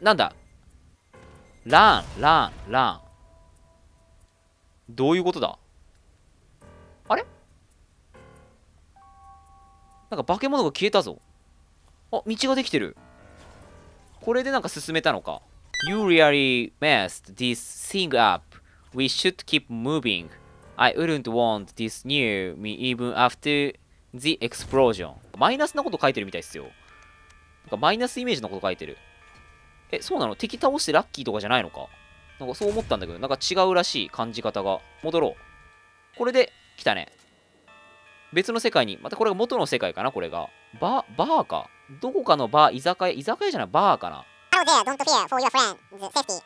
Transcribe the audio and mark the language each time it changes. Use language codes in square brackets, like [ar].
[ja] なんだ？ラン。どういうことだ？あれ？なんか化け物が消えたぞ。あ、道ができてる。これでなんか進めたのか。 [en] You really messed this thing up. We should keep moving. I wouldn't want this near me even after the explosion. [ja] マイナスなこと書いてるみたいですよ。なんかマイナスイメージのこと書いてる。え、そうなの？敵倒してラッキーとかじゃないのか？なんかそう思ったんだけど、なんか違うらしい感じ方が。戻ろう。これで来たね。別の世界に。またこれが元の世界かな、これが。バーか。どこかのバー、居酒屋じゃない、バーかな。 [en] Hello there, don't fear for your friend's safety.